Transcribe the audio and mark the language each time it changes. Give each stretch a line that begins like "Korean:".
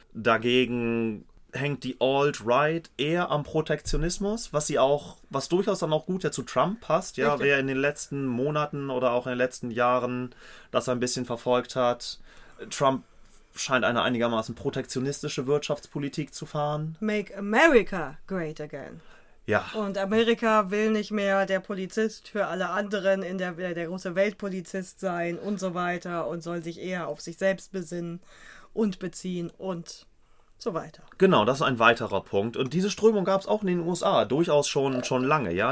German: Dagegen hängt die Alt-Right eher am Protektionismus, was durchaus dann auch gut ja zu Trump passt, ja, Richtig. wer in den letzten Monaten oder auch in den letzten Jahren das ein bisschen verfolgt hat. Trump scheint eine einigermaßen protektionistische Wirtschaftspolitik zu fahren.
English: Make America great again.
German: Ja. Und Amerika will nicht mehr der Polizist für alle anderen in der große Weltpolizist sein und so weiter und soll sich eher auf sich selbst besinnen und beziehen und so weiter. Genau, das ist ein weiterer Punkt. Und diese Strömung gab es auch in den USA durchaus schon lange, ja.